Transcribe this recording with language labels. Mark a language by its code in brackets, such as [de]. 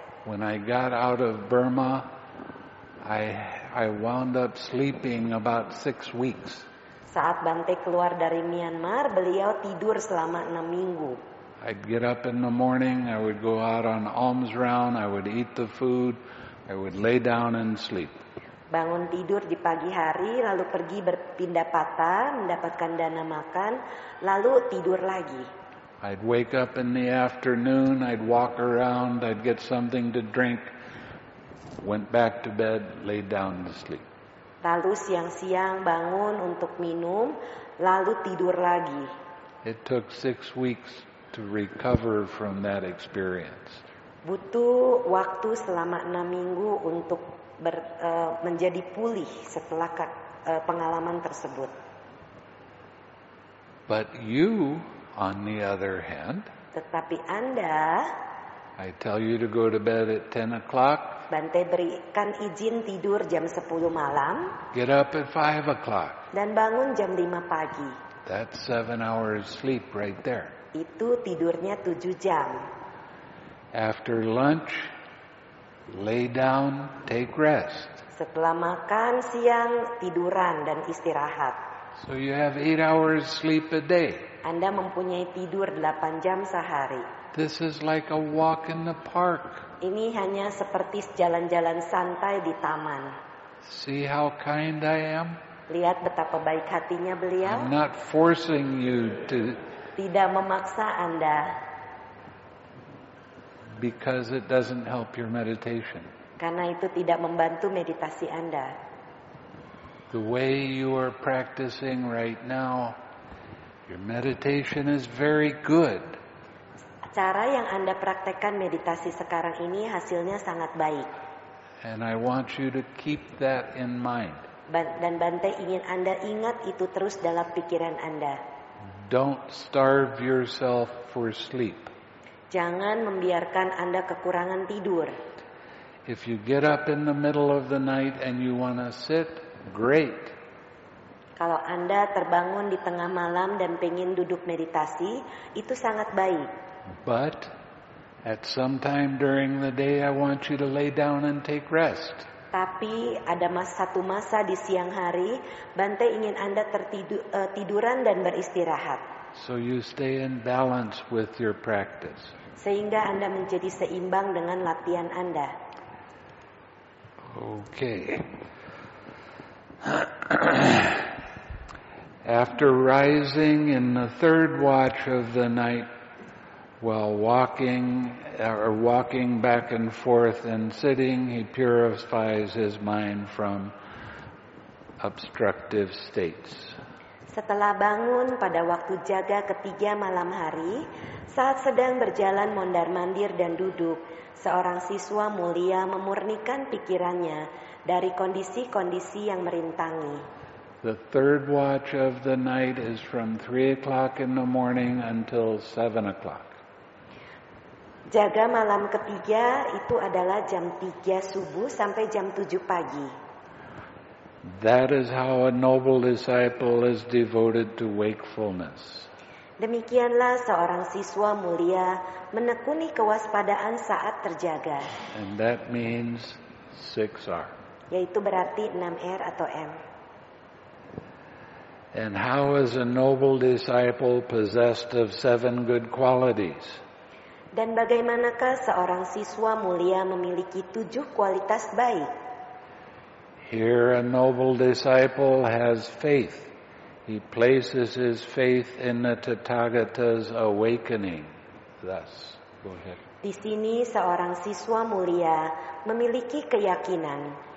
[en] When I got out of Burma, I wound up sleeping about 6 weeks. [id] Saat Bante keluar dari Myanmar, beliau tidur selama 6 minggu. [en] I'd get up in the morning, I would go out on alms round, I would eat the food, I would lay down and sleep. [id] Bangun tidur di pagi hari, lalu pergi berpindah patah, mendapatkan dana makan, lalu tidur lagi. [en] I'd wake up in the afternoon, I'd walk around, I'd get something to drink, went back to bed, laid down to sleep. [id] Lalu siang-siang bangun untuk minum, lalu tidur lagi. [en] It took 6 weeks to recover from that experience. [id] Butuh waktu selama 6 minggu untuk menjadi pulih setelah pengalaman tersebut. [en] But you, on the other hand, [id] tetapi Anda, [en] I tell you to go to bed at 10 o'clock. [id] Bante berikan izin tidur jam 10 malam. [en] Get up at 5 o'clock. [id] Dan bangun jam 5 pagi. [en] That's 7 hours sleep right there. [id] Itu tidurnya 7 jam. [en] After lunch, lay down, take rest. [id] Setelah makan siang, tiduran dan istirahat. [en] So you have 8 hours sleep a day. [id] Anda mempunyai tidur 8 jam sehari. [en] This is like a walk in the park. [id] Ini hanya seperti jalan-jalan santai di taman. [en] See how kind I am? [id] Lihat betapa baik hatinya beliau. [en] I'm not forcing you to. [id] Tidak memaksa Anda. [en] Because it doesn't help your meditation. [id] Karena itu tidak membantu meditasi Anda. [en] The way you are practicing right now, your meditation is very good. [id] Cara yang Anda praktekkan meditasi sekarang ini hasilnya sangat baik. [en] And I want you to keep that in mind. [id] Dan Bante ingin Anda ingat itu terus dalam pikiran Anda. [en] Don't starve yourself for sleep. [id] Jangan membiarkan Anda kekurangan tidur. [en] If you get up in the middle of the night and you want to sit, great. [id] Kalau Anda terbangun di tengah malam dan pengin duduk meditasi, itu sangat baik. [en] But at some time during the day I want you to lay down and take rest. [id] Tapi ada satu masa di siang hari Bante ingin Anda tiduran dan beristirahat. [en] So you stay in balance with your practice. [id] Sehingga Anda menjadi seimbang dengan latihan Anda. [en] Okay. After rising in the third watch of the night, while walking back and forth and sitting, he purifies his mind from obstructive states. [id] Setelah bangun pada waktu jaga ketiga malam hari, saat sedang berjalan mondar-mandir dan duduk, seorang siswa mulia memurnikan pikirannya dari kondisi-kondisi yang merintangi. [en] The third watch of the night is from 3 o'clock in the morning until 7 o'clock. [id] Jaga malam ketiga itu adalah jam 3 subuh sampai jam 7 pagi. [en] That is how a noble disciple is devoted to wakefulness. [id] Demikianlah seorang siswa mulia menekuni kewaspadaan saat terjaga. [en] And that means 6R. [id] Yaitu berarti 6R atau M. [en] And how is a noble disciple possessed of 7 good qualities? [id] Dan bagaimanakah seorang siswa mulia memiliki 7 kualitas baik? [en] Here a noble disciple has faith. He places his faith in the Tathagata's awakening. Thus, go ahead. [id] Di sini seorang siswa mulia memiliki keyakinan.